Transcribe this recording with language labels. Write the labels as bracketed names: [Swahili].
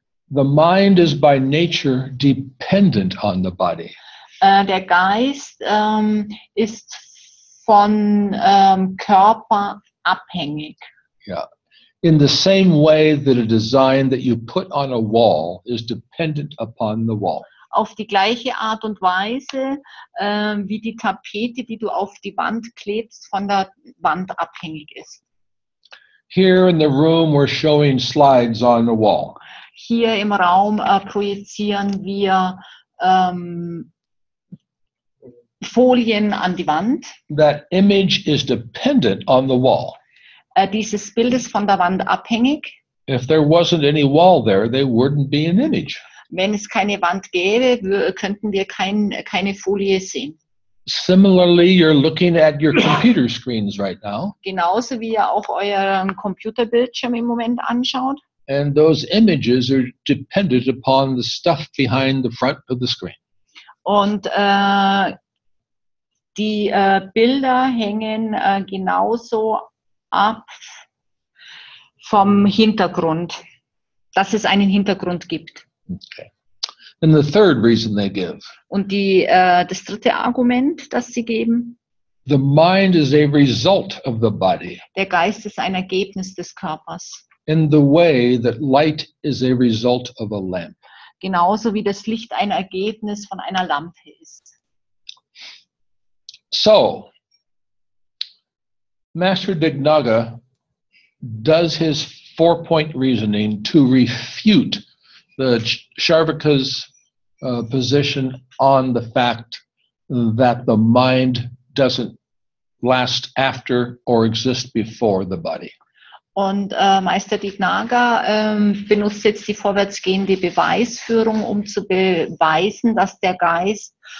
[English] The mind is by nature dependent on the body. [German] Der Geist ist von Körper abhängig. [English] Yeah. In the same way that a design that you put on a wall is dependent upon the wall. [German] Auf die gleiche Art und Weise, wie die Tapete, die du auf die Wand klebst, von der Wand abhängig ist. [English] Here in the room we're showing slides on the wall. [German] Hier im Raum projizieren wir Folien an die Wand. [English] That image is dependent on the wall. [German] Dieses Bild ist von der Wand abhängig. [English] If there wasn't any wall there, they wouldn't be an image. [German] Wenn es keine Wand gäbe, könnten wir keine Folie sehen. [English] Similarly, you're looking at your computer screens right now. [German] Genauso wie ihr auch euren Computerbildschirm im Moment anschaut. [English] And those images are dependent upon the stuff behind the front of the screen. [German] Und die Bilder hängen genauso ab vom Hintergrund, dass es einen Hintergrund gibt. [English] Okay. And the third reason they give. [German] Und die das dritte Argument, das sie geben. [English] The mind is a result of the body. [German] Der Geist ist ein Ergebnis des Körpers. [English] In the way that light is a result of a lamp. [German] Genauso wie das Licht ein Ergebnis von einer Lampe ist. [English] So, Master Dignaga does his four-point reasoning to refute the Charvaka's position on the fact that the mind doesn't last after or exist before the body. [German] Und Meister Dignaga benutzt jetzt die vorwärtsgehende Beweisführung, um zu beweisen, dass der Geist